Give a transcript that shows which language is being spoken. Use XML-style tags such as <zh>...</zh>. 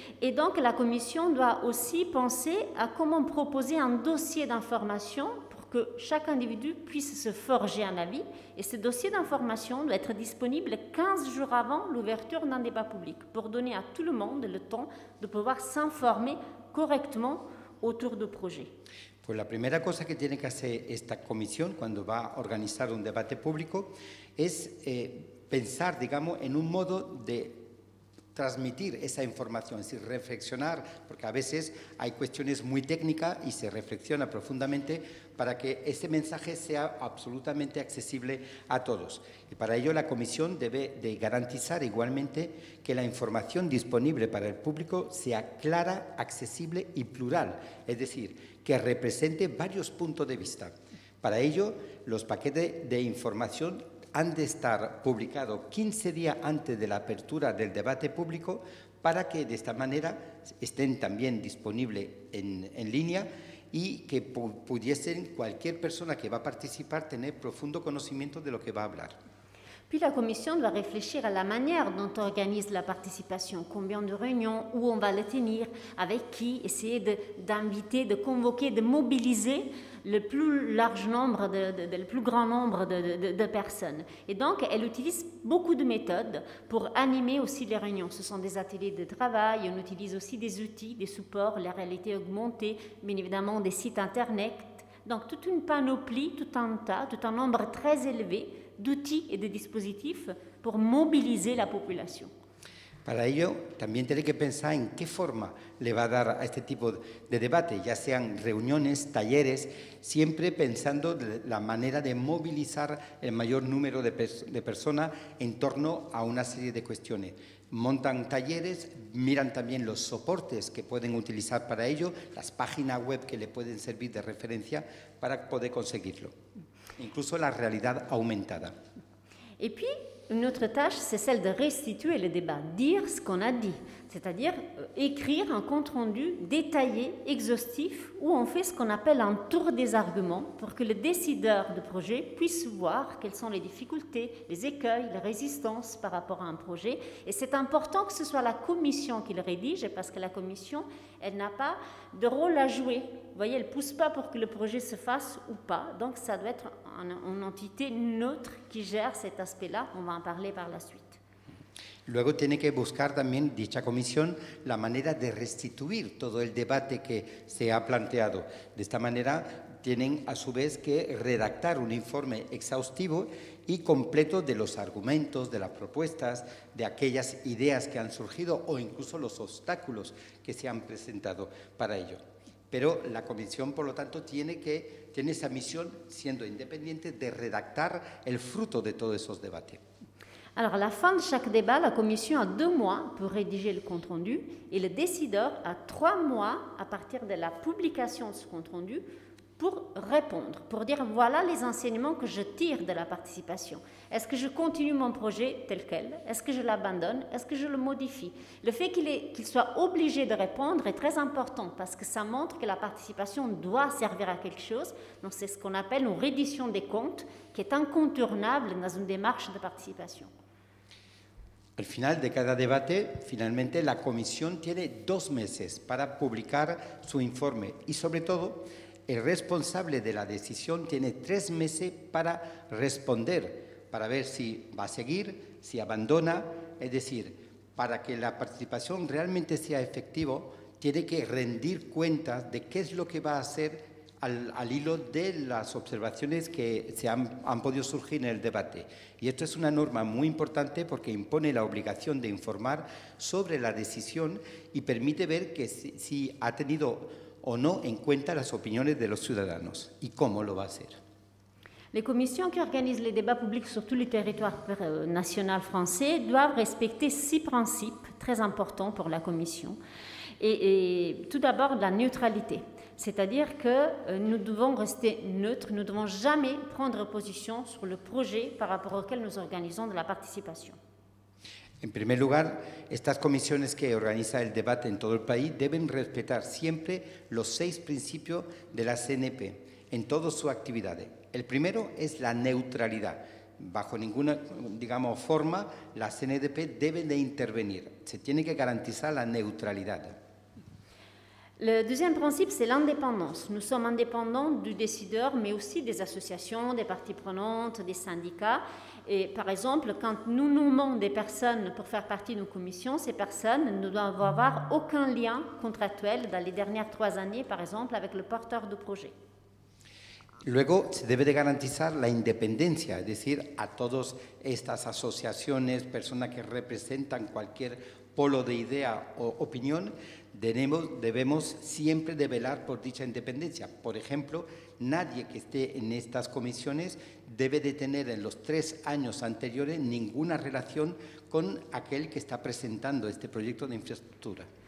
<fr>Et donc, la commission doit aussi penser à comment proposer un dossier d'information que chaque individu puisse se forger un avis, et ce dossier d'information doit être disponible 15 jours avant l'ouverture d'un débat public, pour donner à tout le monde le temps de pouvoir s'informer correctement autour de projets.</fr> <es>Pues la primera cosa que tiene que hacer esta comisión cuando va a organizar un debate público es pensar, digamos, en un modo de transmitir esa información, es decir, reflexionar, porque a veces hay cuestiones muy técnicas y se reflexiona profundamente para que ese mensaje sea absolutamente accesible a todos. Y para ello la comisión debe de garantizar igualmente que la información disponible para el público sea clara, accesible y plural, es decir, que represente varios puntos de vista. Para ello, los paquetes de información han de estar publicados 15 días antes de la apertura del debate público para que de esta manera estén también disponibles en línea y que pudiesen cualquier persona que va a participar tener profundo conocimiento de lo que va a hablar.</es> <fr>Puis la commission doit réfléchir à la manière dont on organise la participation, combien de réunions, où on va les tenir, avec qui, essayer d'inviter, de convoquer, de mobiliser le plus large nombre, le plus grand nombre de personnes. Et donc, elle utilise beaucoup de méthodes pour animer aussi les réunions. Ce sont des ateliers de travail, on utilise aussi des outils, des supports, la réalité augmentée, bien évidemment des sites internet. Donc, toute une panoplie, tout un nombre très élevé d'outils</fr> <es>y de dispositivos para movilizar la población. Para ello, también tiene que pensar en qué forma le va a dar a este tipo de debate, ya sean reuniones, talleres, siempre pensando de la manera de movilizar el mayor número de personas en torno a una serie de cuestiones. Montan talleres, miran también los soportes que pueden utilizar para ello, las páginas web que le pueden servir de referencia para poder conseguirlo. Incluso la realidad aumentada.</es> <fr>Et puis, une autre tâche, c'est celle de restituer le débat, dire ce qu'on a dit, c'est-à-dire écrire un compte-rendu détaillé, exhaustif, où on fait ce qu'on appelle un tour des arguments pour que le décideur de projet puisse voir quelles sont les difficultés, les écueils, les résistances par rapport à un projet. Et c'est important que ce soit la commission qui le rédige, parce que la commission, elle n'a pas de rôle à jouer. Vous voyez, elle ne pousse pas pour que le projet se fasse ou pas. Donc, ça doit être une entité neutre qui gère cet aspect-là. On va en parler par la suite.</fr> <es>Luego tiene que buscar también dicha comisión la manera de restituir todo el debate que se ha planteado. De esta manera, tienen a su vez que redactar un informe exhaustivo y completo de los argumentos, de las propuestas, de aquellas ideas que han surgido o incluso los obstáculos que se han presentado para ello. Pero la comisión, por lo tanto, tiene esa misión, siendo independiente, de redactar el fruto de todos esos debates.</es> <fr>Alors, à la fin de chaque débat, la commission a 2 mois pour rédiger le compte-rendu et le décideur a 3 mois à partir de la publication de ce compte-rendu pour répondre, pour dire « voilà les enseignements que je tire de la participation ». Est-ce que je continue mon projet tel quel? Est-ce que je l'abandonne? Est-ce que je le modifie? Le fait qu'il soit obligé de répondre est très important parce que ça montre que la participation doit servir à quelque chose. Donc c'est ce qu'on appelle une reddition des comptes qui est incontournable dans une démarche de participation.</fr> <es>Al final de cada debate, finalmente, la comisión tiene 2 meses para publicar su informe y sobre todo, el responsable de la decisión tiene 3 meses para responder, para ver si va a seguir, si abandona, es decir, para que la participación realmente sea efectiva, tiene que rendir cuentas de qué es lo que va a hacer al hilo de las observaciones que se han podido surgir en el debate. Y esto es una norma muy importante porque impone la obligación de informar sobre la decisión y permite ver que si ha tenido o no en cuenta las opiniones de los ciudadanos y cómo lo va a hacer.</es> <fr>Les commissions qui organisent les débats publics sur tous les territoires nationaux français doivent respecter 6 principes très importants pour la commission. Et tout d'abord, la neutralité. C'est-à-dire que nous devons rester neutres, nous ne devons jamais prendre position sur le projet par rapport auquel nous organisons de la participation.</fr> <es>En primer lugar, estas comisiones que organiza el debate en todo el país deben respetar siempre los 6 principios de la CNP en todas sus actividades. El primero es la neutralidad. Bajo ninguna, digamos, forma, la CNDP debe de intervenir. Se tiene que garantizar la neutralidad.</es> <fr>Le deuxième principe, c'est l'indépendance. Nous sommes indépendants du décideur, mais aussi des associations, des parties prenantes, des syndicats. Et par exemple, quand nous nommons des personnes pour faire partie de nos commissions, ces personnes ne doivent avoir aucun lien contractuel dans les dernières 3 années, par exemple, avec le porteur de projet.</fr> <es>Luego, se debe de garantizar la independencia, es decir, a todas estas asociaciones, personas que representan cualquier polo de idea o opinión, debemos siempre de velar por dicha independencia. Por ejemplo, nadie que esté en estas comisiones debe de tener en los 3 años anteriores ninguna relación con aquel que está presentando este proyecto de infraestructura.</es>